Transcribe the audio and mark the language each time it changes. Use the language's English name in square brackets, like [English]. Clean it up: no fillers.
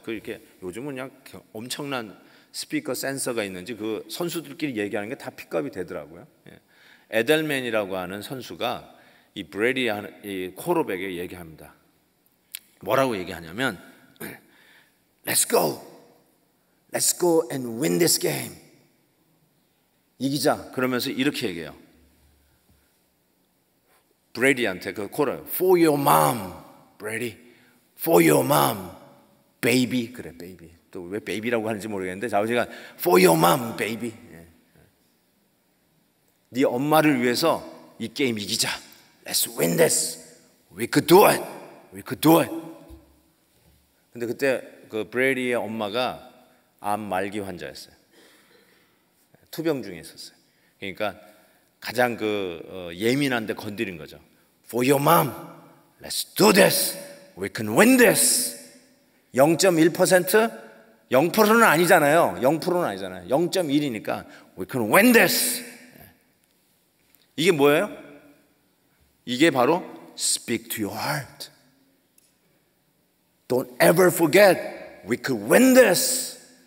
[Korean] 그 이렇게 요즘은 그냥 엄청난 스피커 센서가 있는지 그 선수들끼리 얘기하는 게 다 픽업이 되더라고요. 에델맨이라고 하는 선수가 이 브레디 이 코어백에게 얘기합니다. 뭐라고 얘기하냐면 [English] Let's go. Let's go and win this game. [Korean] 이기자. 그러면서 이렇게 얘기해요. 브레디한테 그 코어 [English] For your mom, Brady. For your mom, baby. 그래, baby. [Korean] 또 왜 baby라고 하는지 모르겠는데 자우지가 [English] For your mom, baby. [Korean] 네 엄마를 위해서 이 게임 이기자. [English] Let's win this. We could do it. We could do it. [Korean] 근데 그때 그 브레디의 엄마가 암 말기 환자였어요. 투병 중에 있었어요. 그러니까 가장 그 예민한 데 건드린 거죠. [English] For your mom, let's do this. We can win this. 0.1%? [Korean] 0%는 아니잖아요. 0%는 아니잖아요. [English] 0.1이니까 we can win this. [Korean] 이게 뭐예요? 이게 바로 [English] speak to your heart. Don't ever forget we could win this.